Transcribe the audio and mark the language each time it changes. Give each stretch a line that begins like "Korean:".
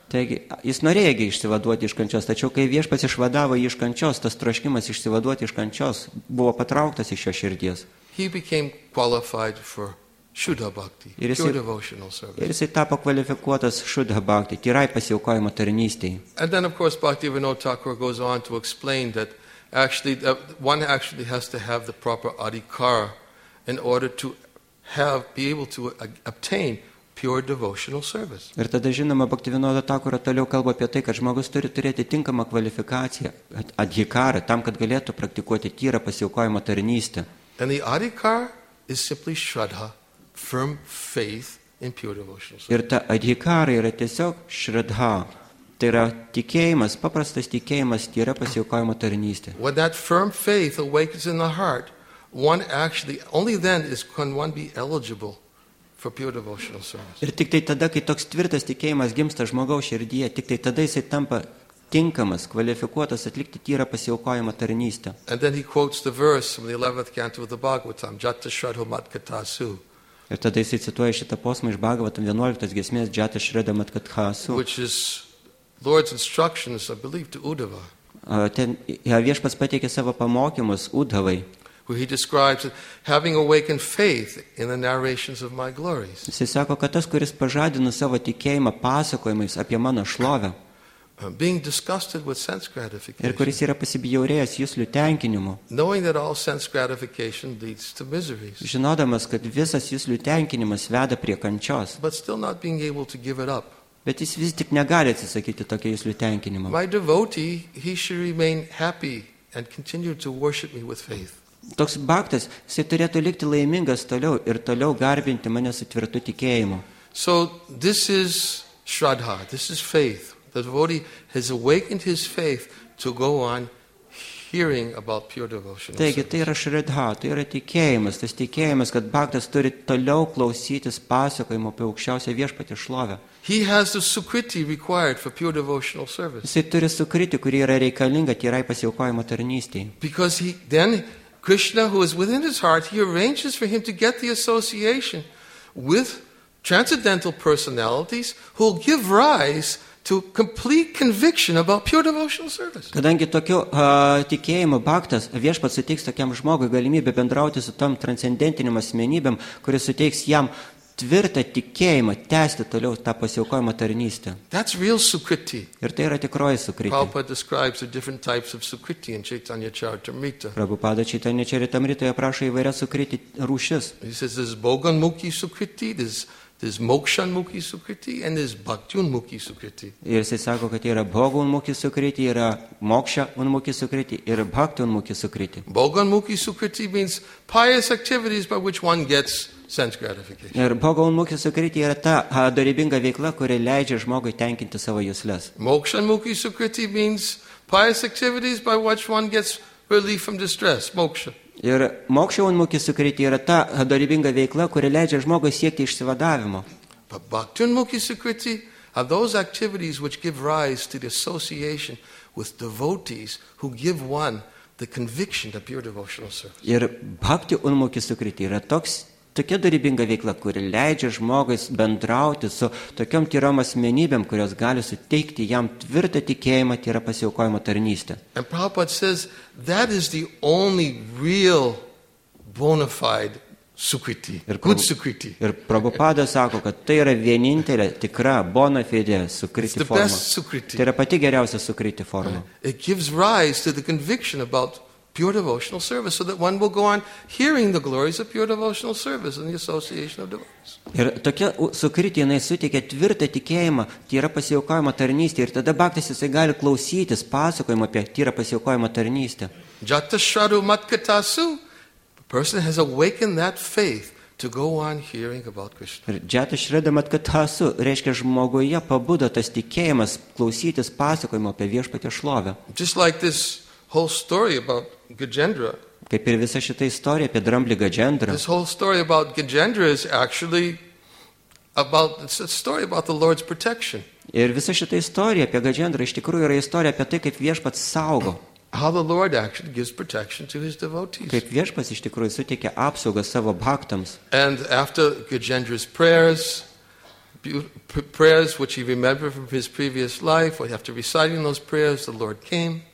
Lithuanian: Taigi, jis norėjo išsivaduoti iš kančios, tačiau kai viešpats išvadavo jį iš kančios, tas troškimas išsivaduoti iš kančios buvo patrauktas iš jo širdies.
English: He became qualified for Shuddha Bhakti, pure devotional service.
Lithuanian: Ir jisai tapo kvalifikuotas Shuddha Bhakti, tyrai pasiaukojimo tarnystei.
English: And then, of course, Bhaktivinoda Thakur goes on to explain that actually one actually has to have the proper adhikara in order to be able to obtain pure devotional service.
Lithuanian: Ir tada žinoma, Bhaktivinoda Thakura toliau kalba apie tai, kad žmogus turi turėti tinkamą kvalifikaciją, adhikarą, tam, kad galėtų praktikuoti tyrą pasiaukojimo tarnystę.
English: And the adhikara is simply shraddha, firm faith in pure devotional service.
Lithuanian: Ir ta adhikara yra tiesiog shraddha. Tai yra tikėjimas, paprastas tikėjimas, tyra pasiaukojimo tarnystė.
English: When that firm faith awakens in the heart, one actually only then is can one be eligible for pure devotional service.
Lithuanian: Ir tik tai tada, kai toks tvirtas tikėjimas gimsta žmogaus širdyje, tik tai tada jisai tampa tinkamas, kvalifikuotas atlikti tyrą pasiaukojimo tarnystę.
English: And then he quotes the verse from the 11th canto of the Bhagavatam, Jata Shraddha Mat Katasu.
Lithuanian: Ir tada jisai cituoja šitą posmą iš Bhagavatam 11 giesmės Jata Shraddha Mat Katasu,
English: which is Lord's instructions, I believe, to Uddhava.
Lithuanian: Ten viešpats pateikė savo pamokymus Uddhavai.
English: Where he describes having awakened faith in the narrations of my glories.
Lithuanian: Jis sako, kad tas, kuris pažadino savo tikėjimą pasakojimais apie mano šlovę.
English: Being disgusted with sense gratification.
Lithuanian: Ir kuris yra pasibjaurėjęs juslių tenkinimu.
English: Knowing that all sense gratification leads to miseries.
Lithuanian: Žinodamas, kad visas juslių tenkinimas veda prie kančios.
English: But still not being able to give it up.
Lithuanian: Bet jis vis tik negali atsisakyti tokio juslių tenkinimo.
English: My devotee, he should remain happy and continue to worship me with faith.
Lithuanian: Toks baktas, jisai turėtų likti laimingas toliau ir toliau garbinti mane su tvirtu tikėjimu.
English: So this is shraddha, this is faith. The devotee has awakened his faith to go on hearing about pure devotion.
Lithuanian: Taigi, tai yra shraddha, tai yra tikėjimas, tas tikėjimas, kad baktas turi toliau klausytis pasakojimo apie aukščiausią viešpatį šlovę.
English: He has the sukriti required for pure devotional service.
Lithuanian: Jisai turi sukriti, kuri yra reikalinga tyrai pasiaukojimo tarnystei.
English: Because he then Krishna, who is within his heart, he arranges for him to get the association with transcendental personalities who will give rise to complete conviction about pure devotional service.
Lithuanian: Kadangi tokio tikėjimo baktas, viešpats suteiks tokiam žmogui galimybę bendrauti su tom transcendentinėm asmenybėm, kuris suteiks jam tvirtą tikėjimą tęsti toliau tą pasiaukojimo tarnystę.
English: That's real sukriti.
Lithuanian: Ir tai yra tikroji sukriti.
English: Prabhupada describes the different types of sukriti in Chaitanya Charitamrita.
Lithuanian: Prabhupada Chaitanya Charitamritoje aprašo įvairias sukriti rūšis.
English: He says there's bhogan mukhi sukriti, there's There's mokshan mukhi sukriti and there's bhaktun mukhi sukriti.
Lithuanian: Ir jis sako, kad yra bhogun mukhi sukriti, yra moksha un mukhi sukriti ir bhaktun mukhi sukriti.
English: Bhogun mukhi sukriti means pious activities by which one gets sense gratification.
Lithuanian: Ir bhogun mukhi sukriti yra ta dorybinga veikla, kuri leidžia žmogui tenkinti savo jusles.
English: Mokshan mukhi sukriti means pious activities by which one gets relief from distress, moksha.
Lithuanian: Ir mokščio un mokis sukriti yra ta dorybinga veikla, kuri leidžia žmogui siekti išsivadavimo.
English: But bhaktun mokis sukriti are those activities which give rise to the association with devotees who give one the conviction of pure devotional service.
Lithuanian: Ir bhakti un mokis sukriti yra tokia dorybinga veikla, kuri leidžia žmogui bendrauti su tokiom tyrom asmenybėm, kurios gali suteikti jam tvirtą tikėjimą, tyra pasiaukojimo tarnystę.
English: And Prabhupada says that is the only real bona fide sukriti, good sukriti.
Lithuanian: Ir Prabhupada sako, kad tai yra vienintelė tikra bona fide sukriti forma.
English: It's the best sukriti.
Lithuanian: Tai yra pati geriausia sukriti forma.
English: It gives rise to the conviction about pure devotional service, so that one will go on hearing the glories of pure devotional service in the association of devotees.
Lithuanian: Ir tokia sukriti, jinai suteikia tvirtą tikėjimą, tyra pasiaukojimo tarnystė, ir tada baktis jisai gali klausytis pasakojimo apie tyra pasiaukojimo tarnystę.
English: Jata shradu matkatasu, the person has awakened that faith to go on hearing about Krishna.
Lithuanian: Ir jata shradu matkatasu, reiškia žmoguje pabudo tas tikėjimas klausytis pasakojimo apie viešpatį šlovę.
English: Just like this whole story about Gajendra.
Lithuanian: Kaip ir visa šita istorija apie dramblį Gajendra.
English: This whole story about Gajendra is actually about, it's a story about the Lord's protection.
Lithuanian: Ir visa šita istorija apie Gajendra iš tikrųjų yra istorija apie tai, kaip Viešpats saugo.
English: How the Lord actually gives protection to his devotees.
Lithuanian: Kaip Viešpats iš tikrųjų suteikia apsaugą savo bhaktams.
English: And after Gajendra's prayers, prayers which he remembered from his previous life, or after reciting those prayers, the Lord came.